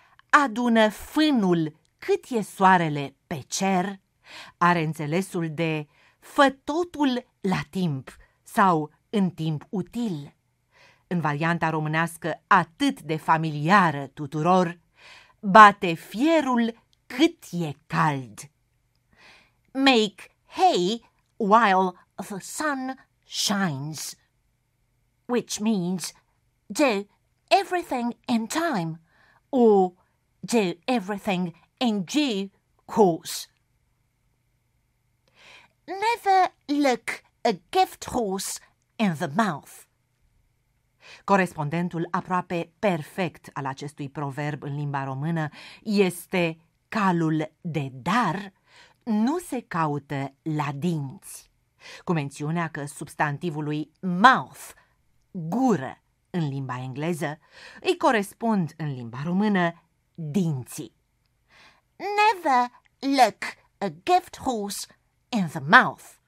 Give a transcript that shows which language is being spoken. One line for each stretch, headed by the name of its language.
Romanian: Adună fânul cât e soarele pe cer are înțelesul de fă totul la timp sau în timp util. În varianta românească atât de familiară tuturor, bate fierul cât e cald.
English: Make hay while the sun shines, which means do everything in time or do everything in due course. Never look a gift horse in the mouth.
Romanian: Corespondentul aproape perfect al acestui proverb în limba română este calul de dar nu se caută la dinți, cu mențiunea că substantivului mouth, gură, în limba engleză, îi corespund în limba română dinții.
English: Never look a gift horse in the mouth.